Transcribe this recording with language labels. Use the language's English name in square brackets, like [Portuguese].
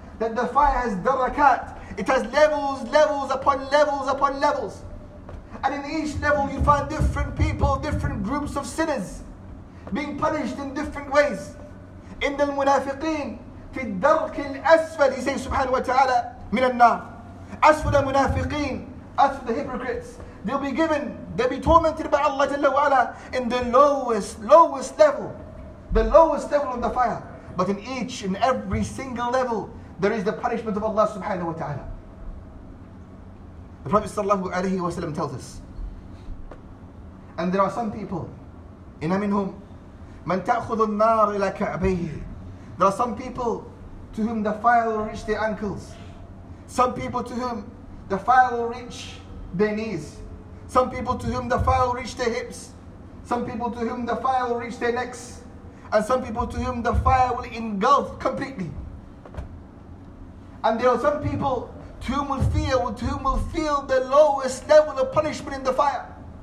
[English] that the fire has darakat. It has levels, levels upon levels upon levels. And in each level you find different people, different groups of sinners being punished in different ways. In the munafiqeen, [Arabic] في الدرك الأسفل, [English] he says subhanahu wa ta'ala, [Arabic] من النار. أسفل المنافقين, أسفل [English] the hypocrites. They'll be given, they'll be tormented by Allah Jalla wa ala in the lowest, lowest level. The lowest level of the fire. But in each and every single level, there is the punishment of Allah subhanahu wa ta'ala. The Prophet sallallahu alayhi wa sallam tells us. And there are some people, [Arabic] إِنَا مِنْهُمْ مَنْ تَأْخُذُ النَّارِ إِلَى كَعْبَيْهِ. [English] There are some people to whom the fire will reach their ankles. Some people to whom the fire will reach their knees. Some people to whom the fire will reach their hips. Some people to whom the fire will reach their necks. And some people to whom the fire will engulf completely. And there are some people to whom will fear, to whom will feel the lowest level of punishment in the fire.